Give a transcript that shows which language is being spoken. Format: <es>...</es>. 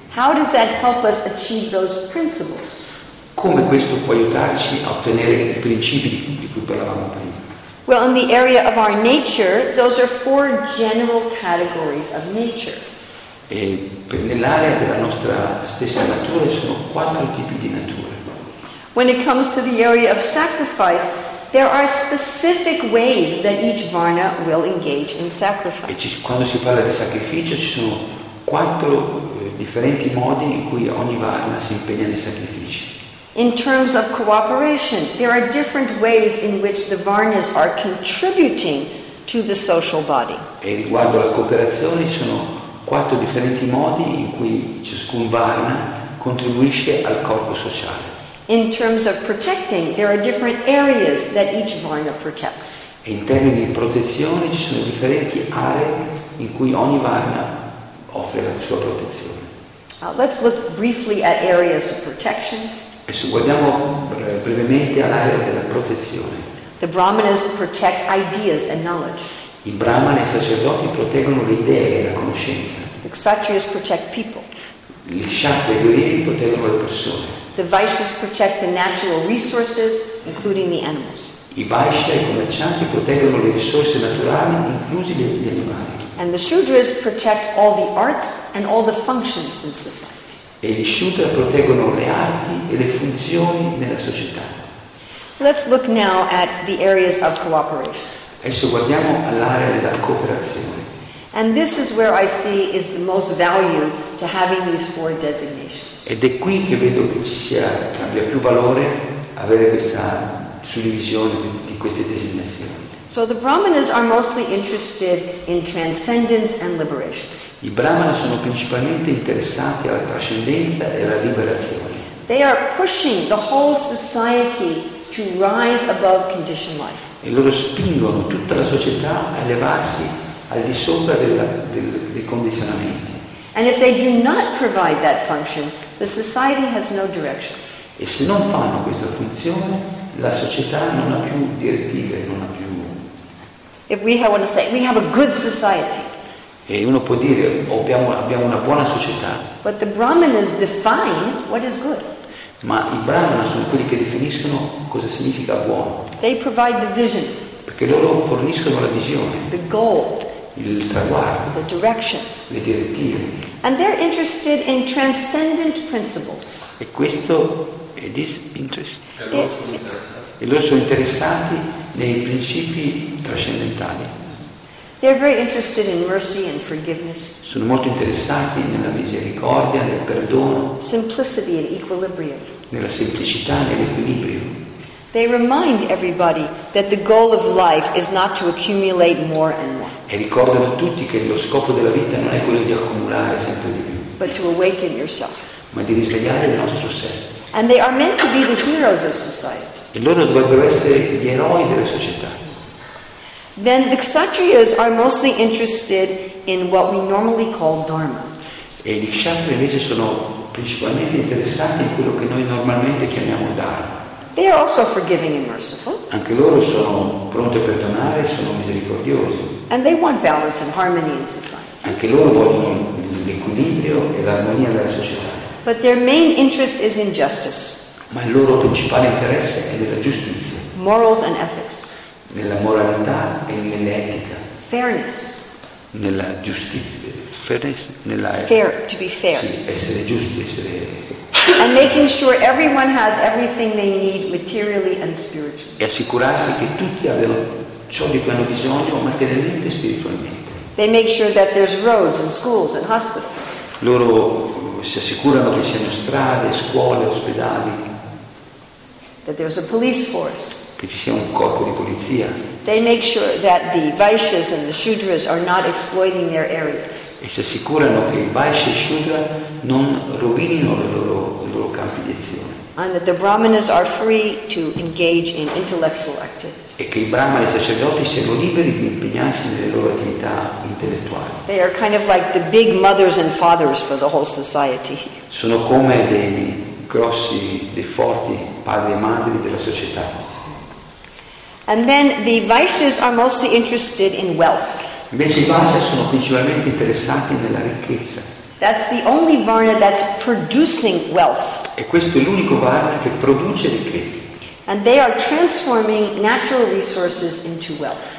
<en>How does that help us achieve those principles?</en> <it>Come questo può aiutarci a ottenere i principi di cui parlavamo prima?</it> <en>Well, in the area of our nature, those are four general categories of nature.</en> <it>E nell'area della nostra stessa natura ci sono quattro tipi di natura.</it> <en>When it comes to the area of sacrifice, there are specific ways that each varna will engage in sacrifice.</en> <it>Quando si parla di sacrificio ci sono quattro differenti modi in cui ogni varna si impegna nei sacrifici.</it> <en>In terms of cooperation, there are different ways in which the varnas are contributing to the social body.</en> <it>E riguardo alla cooperazione sono quattro differenti modi in cui ciascun varna contribuisce al corpo sociale.</it> <en>In terms of protecting, there are different areas that each varna protects.</en> <it>E in termini di protezione ci sono differenti aree in cui ogni varna offre la sua protezione.</it> <en>Let's look briefly at areas of protection.</en> <it>Adesso guardiamo brevemente all'area della protezione.</it> <en>The brahmanas protect ideas and knowledge.</en> <it>I brahmana e i sacerdoti proteggono le idee e la conoscenza.</it> <en>The kshatriyas protect people.</en> <it>Gli kshatriya e gli udini proteggono le persone.</it> <en>The vaishyas protect the natural resources, including the animals.</en> <it>I vaishya e i commercianti proteggono le risorse naturali, inclusi gli animali.</it> <en>And the shudras protect all the arts and all the functions in society.</en> <it>E gli Shudra proteggono le arti e le funzioni nella società.</it> <en>Let's look now at the areas of cooperation.</en> <it>Adesso guardiamo all'area della cooperazione.</it> <en>And this is where I see is the most value to having these four designations.</en> <it>Ed è qui che vedo che ci sia, che abbia più valore avere questa suddivisione di queste designazioni.</it> <en>So the Brahmanas are mostly interested in transcendence and liberation.</en> <it>I Brahmana sono principalmente interessati alla trascendenza e alla liberazione.</it> <en>They are pushing the whole society to rise above conditioned life.</en> <it>E loro spingono tutta la società a elevarsi al di sopra dei condizionamenti.</it> <en>And if they do not provide that function, the society has no direction.</en> <it>E se non fanno questa funzione, la società non ha più direttive, non ha più.</it> <en>If we have, what to say, we have a good society.</en> <it>E uno può dire abbiamo una buona società.</it> <en>But the Brahmanas define what is good.</en> <it>Ma i Brahmana sono quelli che definiscono cosa significa buono.</it> <en>They provide the vision.</en> <it>Perché loro forniscono la visione.</it> <en>The goal.</en> <it>Il traguardo.</it> <en>The direction.</en> <it>Le direttive.</it> <en>And they're interested in transcendent principles.</en> <it>E questo è disinteressante. E loro sono interessati nei principi trascendentali.</it> <en>They're very interested in mercy and forgiveness.</en> <it>Sono molto interessati nella misericordia, nel perdono.</it> <en>Simplicity and equilibrium.</en> <it>Nella semplicità e nell'equilibrio.</it> <en>They remind everybody that the goal of life is not to accumulate more and more.</en> <it>E ricordano tutti che lo scopo della vita non è quello di accumulare sempre di più.</it> <en>But to awaken yourself.</en> <it>Ma di risvegliare il nostro sé.</it> <en>And they are meant to be the heroes of society.</en> <it>E loro dovrebbero essere gli eroi della società.</it> <en>Then the kshatriyas are mostly interested in what we normally call dharma.</en> <it>E gli kshatriya invece sono principalmente interessati in quello che noi normalmente chiamiamo dharma.</it> <en>They are also forgiving and merciful.</en> <it>Anche loro sono pronti a perdonare, sono misericordiosi.</it> <en>And they want balance and harmony in society.</en> <it>Anche loro vogliono l'equilibrio e l'armonia della società.</it> <en>But their main interest is in justice.</en> <it>Ma il loro principale interesse è nella giustizia.</it> <en>Morals and ethics.</en> <it>Nella moralità e nell'etica.</it> <en>Fairness.</en> <it>Nella giustizia.</it> <en>Fairness.</en> <it>Nella</it> <en>fair, to be fair.</en> <it>Sì, essere giusti, essere.</it> <en>And making sure everyone has everything they need materially and spiritually.</en> <it>E assicurarsi che tutti abbiano ciò di cui hanno bisogno materialmente e spiritualmente.</it> <en>They make sure that there's roads and schools and hospitals.</en> <it>Loro si assicurano che siano strade, scuole, ospedali.</it> <en>That there's a police force.</en> <it>Che ci sia un corpo di polizia.</it> <en>They make sure that the vaishyas and the shudras are not exploiting their areas.</en> <it>E si assicurano che i vaishya e i shudra non rovinino i loro campi di azione.</it> <en>And that the brahmanas are free to engage in intellectual activity.</en> <it>E che i brahmani e i sacerdoti siano liberi di impegnarsi nelle loro attività intellettuali.</it> <en>They are kind of like the big mothers and fathers for the whole society.</en> <it>Sono come dei grossi, dei forti padri e madri della società.</it> <en>And then the Vaishyas are mostly interested in wealth.</en> <it>Invece i Vaishyas sono principalmente interessati nella ricchezza.</it> <en>That's the only Varna that's producing wealth.</en> <it>E questo è l'unico Varna che produce ricchezza.</it> <en>And they are transforming natural resources into wealth.</en>